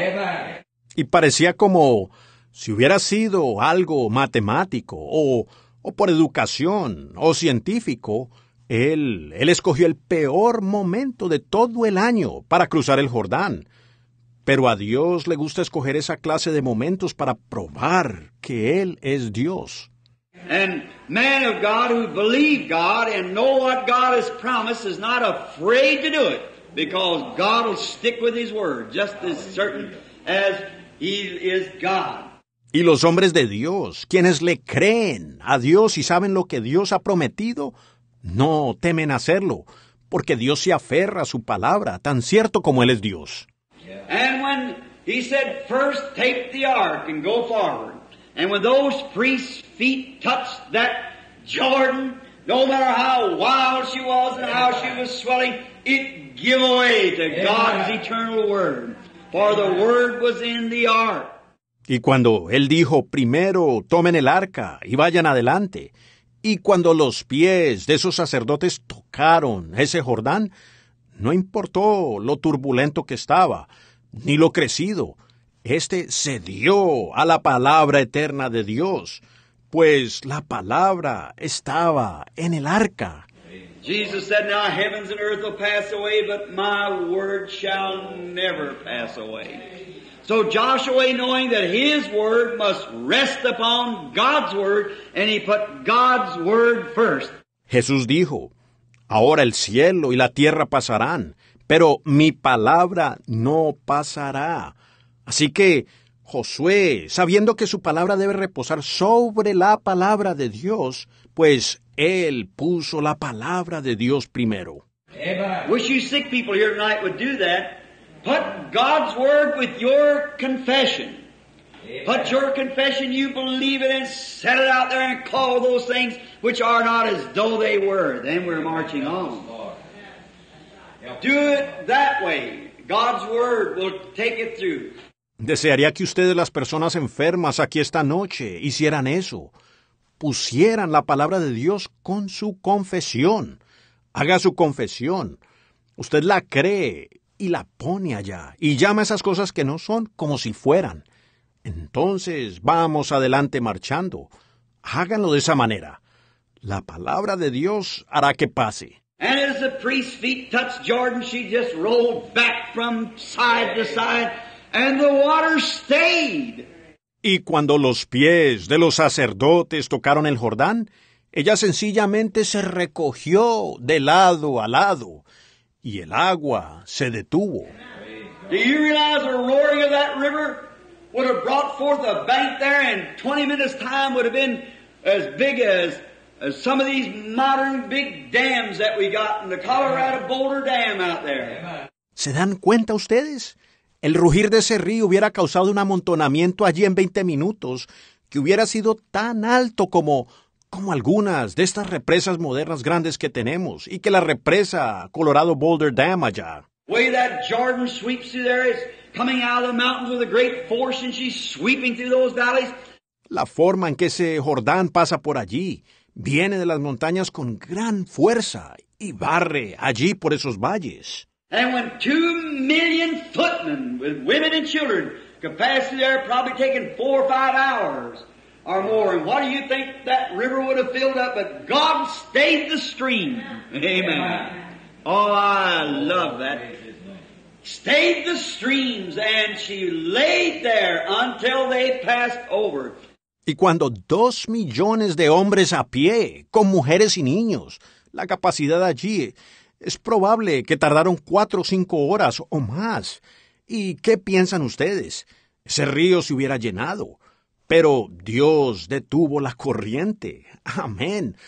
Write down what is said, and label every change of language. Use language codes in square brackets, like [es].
[en] Amen. [es] Y parecía como si hubiera sido algo matemático o por educación o científico, él escogió el peor momento de todo el año para cruzar el Jordán. Pero a Dios le gusta escoger esa clase de momentos para probar que Él es Dios. [en] And man of God who believe God and know what God has promised is not afraid to do it because God will stick with His word just as certain as He is God. [es] Y los hombres de Dios, quienes le creen a Dios y saben lo que Dios ha prometido, no temen hacerlo porque Dios se aferra a su palabra tan cierto como Él es Dios. [en] Yeah. And when He said, first take the ark and go forward. And when those priests' feet touched that Jordan, no matter how wild she was and how she was swelling, it gave way to Amen. God's eternal word. For the word was in the ark. [es] Y cuando él dijo, primero tomen el arca y vayan adelante. Y cuando los pies de esos sacerdotes tocaron ese Jordán, no importó lo turbulento que estaba, ni lo crecido. Este cedió a la palabra eterna de Dios, pues la palabra estaba en el arca. [en] Jesus said, now heavens and earth will pass away, but my word shall never pass away. So Joshua, knowing that his word must rest upon God's word, and he put God's word first. [es] Jesús dijo, ahora el cielo y la tierra pasarán, pero mi palabra no pasará. Así que Josué, sabiendo que su palabra debe reposar sobre la palabra de Dios, pues él puso la palabra de Dios primero. [en] Wish you sick people here tonight would do that. Put God's word with your confession. Put your confession, you believe it, and set it out there and call those things which are not as though they were. Then we're marching on. Do it that way. God's word will take it through. [es] Desearía que ustedes, las personas enfermas aquí esta noche, hicieran eso. Pusieran la palabra de Dios con su confesión. Haga su confesión. Usted la cree y la pone allá. Y llama esas cosas que no son como si fueran. Entonces, vamos adelante marchando. Háganlo de esa manera. La palabra de Dios hará que pase. [en] And as as the priest's feet touched Jordan, she just rolled back from side to side, and the water stayed. [es] Y cuando los pies de los sacerdotes tocaron el Jordán, ella sencillamente se recogió de lado a lado, y el agua se detuvo. [en] Do you realize the roaring of that river would have brought forth a bank there in 20 minutes time would have been as big as some of these modern big dams that we got in the Colorado Boulder Dam out there. [es] ¿Se dan cuenta ustedes? El rugir de ese río hubiera causado un amontonamiento allí en 20 minutos que hubiera sido tan alto como algunas de estas represas modernas grandes que tenemos y que la represa Colorado Boulder Dam allá. [en] Way that Jordan sweeps through there is coming out of the mountains with a great force and she's sweeping through those valleys. [es] La forma en que ese Jordán pasa por allí viene de las montañas con gran fuerza y barre allí por esos valles. [en] And when 2 million footmen with women and children could pass through there probably taking 4 or 5 hours or more, and what do you think that river would have filled up? But God stayed the stream. Amen. Oh, I love that. Stayed the streams, and she laid there until they passed over. [es] Y cuando 2 millones de hombres a pie, con mujeres y niños, la capacidad allí, es probable que tardaron 4 o 5 horas o más. ¿Y qué piensan ustedes? Ese río se hubiera llenado, pero Dios detuvo la corriente. Amén.